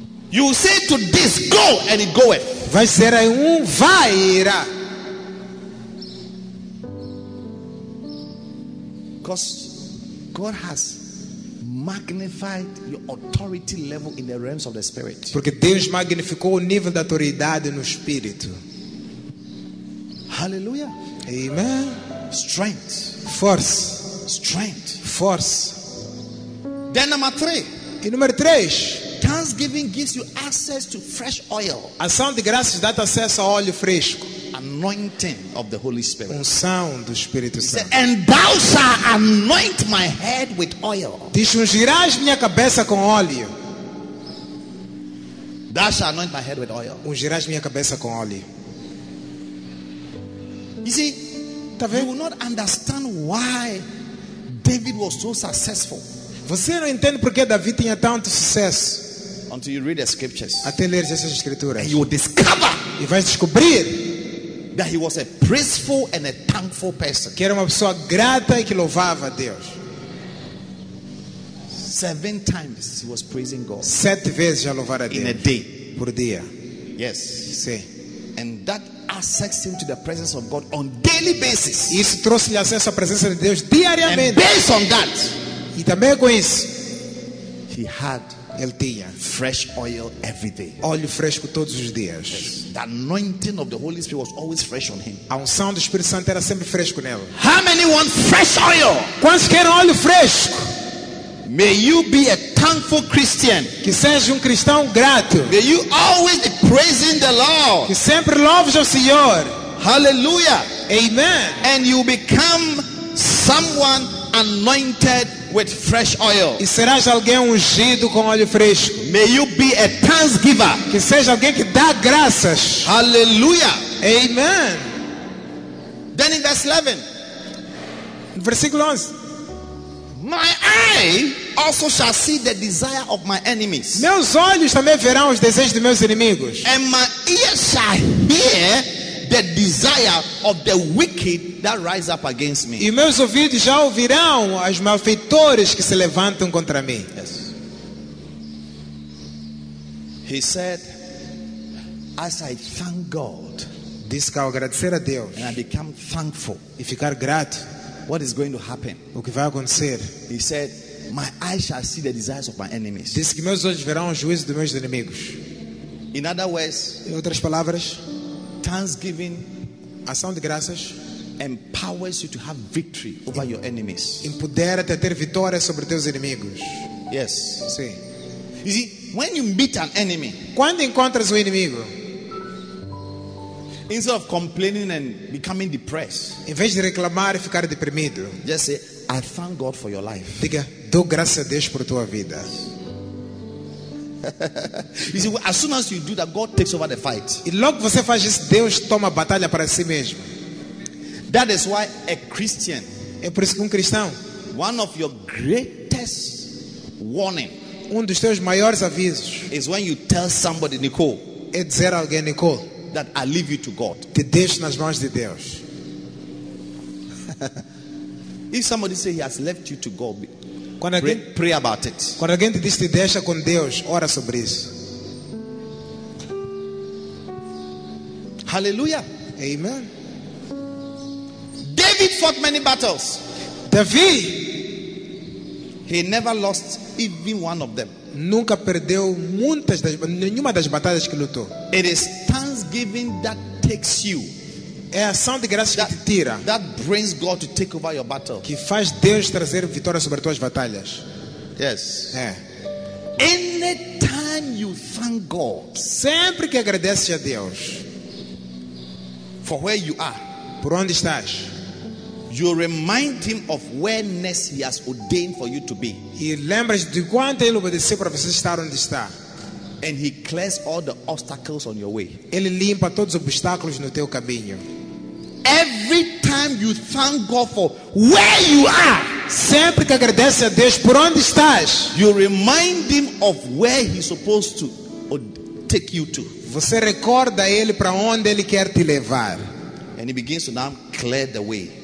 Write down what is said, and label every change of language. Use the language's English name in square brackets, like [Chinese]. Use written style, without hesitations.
[English] You say to this, go, and it goeth. [Portuguese] Vai ser a vai e irá. [English] Because God has magnified your authority level in the realms of the spirit. [Portuguese] Porque Deus magnificou o nível da autoridade no espírito. [English] Hallelujah. [Portuguese] Amen. [English] Strength. Force. Strength. Force. Then number three. [Portuguese] E número três. [English] Thanksgiving gives you access to fresh oil. [Portuguese] Ação de graças dá acesso a óleo fresco. [English] Anointing of the Holy Spirit. [Portuguese] Unção do Espírito Santo. [English] Said, and thou shalt anoint my head with oil. [Portuguese] Diz, ungirás minha cabeça com óleo. [English] Thou shalt anoint my head with oil. [Portuguese] Ungirás minha cabeça com óleo. [English] You see, [Portuguese] tá vendo? [English] You will not understand why David was so successful. [Portuguese] Você não entende porque Davi tinha tanto sucesso. [English] Until you read the scriptures. [Portuguese] Até ler essas escrituras. [English] And you will discover. [Portuguese] E vais descobrir. [English] That he was a praiseful and a thankful person. [Portuguese] Que era uma pessoa grata e que louvava a Deus. [English] 7 times he was praising God. [Portuguese] 7 vezes já louvara a Deus. [English] In a day. [Portuguese] Por dia. [English] Yes. [Portuguese] Sim. [English] And that access him to the presence of God on daily basis. [Portuguese] Isso trouxe-lhe acesso à presença de Deus diariamente. [English] And based on that, [Portuguese] e também com isso, [English] he had, [Portuguese] ele tinha [English] fresh oil every day. [Portuguese] Óleo fresco todos os dias. [English] The anointing of the Holy Spirit was always fresh on him. [Portuguese] A unção do Espírito Santo era sempre fresco nele. [English] How many want fresh oil? [Portuguese] Quantos querem óleo fresco? [English] May you be a thankful Christian. [Portuguese] Que seja cristão grato. [English] May you always be praising the Lord. [Portuguese] Que sempre louves o Senhor. [English] Hallelujah. [Portuguese] Amen. [English] And you become someone anointed with fresh oil. [Portuguese] E serás alguém ungido com óleo fresco. [English] May you be a thanksgiver. [Portuguese] Que seja alguém que dá graças. [English] Hallelujah. [Portuguese] Amen. [English] Then in verse 11. [Portuguese] Versículo 11. [English] My eye also shall see the desire of my enemies. [Portuguese] Meus olhos também verão os desejos de meus inimigos. [English] And my ears shall hear the desire of the wicked that rise up against me. [Portuguese] E meus ouvidos já ouvirão os malfeitores que se levantam contra mim. [English] Yes. He said, as I thank God, [Portuguese] diz que ao agradecer a Deus, [English] and I become thankful, [Portuguese] e ficar grato, [English] what is going to happen? [Portuguese] O que vai acontecer? [English] He said, my eyes shall see the desires of my enemies. [Portuguese] Diz que meus olhos verão o juízo dos meus inimigos. [English] In other words, [Portuguese] em outras palavras, [English] thanksgiving, [Portuguese] ação de graças, [English] empowers you to have victory over your enemies. [Portuguese] Empodera-te a ter vitória sobre teus inimigos. [English] Yes. [Portuguese] Sim. [English] You see, when you meet an enemy, [Portuguese] quando encontras um inimigo, [English] instead of complaining and becoming depressed, [Portuguese] em vez de reclamar e ficar deprimido, [English] just say, I thank God for your life. [Portuguese] Diga, dou graças a Deus por tua vida. [English] You see, as soon as you do that, God takes over the fight. [Portuguese] E logo que você faz isso, Deus toma a batalha para si mesmo. [English] That is why a Christian, [Portuguese] é por isso que cristão, [English] one of your greatest warning, [Portuguese] dos teus maiores avisos, [English] is when you tell somebody, Nicole, [Portuguese] é dizer a alguém, Nicole, [English] that I leave you to God. [Portuguese] Te deixo nas mãos de Deus. [English] If somebody says he has left you to God, [Portuguese] quando alguém, [English] pray about it. [Portuguese] Quando alguém te diz te deixa com Deus, ora sobre isso. [English] Hallelujah. [Portuguese] Amen. [English] David fought many battles. [Portuguese] David, [English] he never lost even one of them. [Portuguese] Nunca perdeu muitas das, nenhuma das batalhas que lutou. [English] It is thanksgiving that takes you. [Portuguese] É a ação de graças that, que te tira. [English] That brings God to take over your battle. [Portuguese] Que faz Deus trazer vitória sobre as tuas batalhas. [English] Yes. [Portuguese] É. [English] Anytime you thank God, [Portuguese] sempre que agradeces a Deus, [English] for where you are, [Portuguese] por onde estás, [English] you remind him of where next he has ordained for you to be. [Portuguese] E lembras de quanto ele obedeceu para você estar onde está. [English] And he clears all the obstacles on your way. [Portuguese] Ele limpa todos os obstáculos no teu caminho. [English] Every time you thank God for where you are, [Portuguese] sempre que agradece a Deus por onde estás, [English] you remind him of where he's supposed to take you to. [Portuguese] Você recorda a ele para onde ele quer te levar. [English] And he begins to now clear the way.